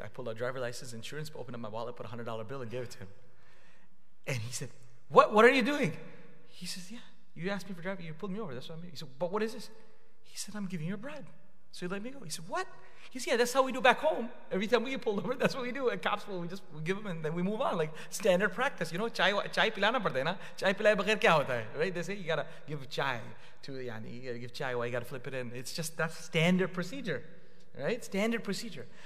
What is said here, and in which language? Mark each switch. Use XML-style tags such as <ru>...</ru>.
<en>I pulled out driver license, insurance, opened up my wallet, put a $100 bill and gave it to him, and he said, what are you doing? He says, yeah, you asked me for driving, you pulled me over, that's what I mean. He said, but what is this? He said, I'm giving you a bribe. So he let me go. He said, what? He said, yeah, that's how we do back home. Every time we get pulled over, that's what we do. And cops, we give them and then we move on. Like standard practice. You know,</en> <ur>چائے پلانا پڑتا ہے نا? چائے پلائے بغیر کیا ہوتا ہے?</ur> <en>Right? They say you got to give chai to, yani, you got to give chai, why you got to flip it in. It's just, that's standard procedure. Right? Standard procedure.</en>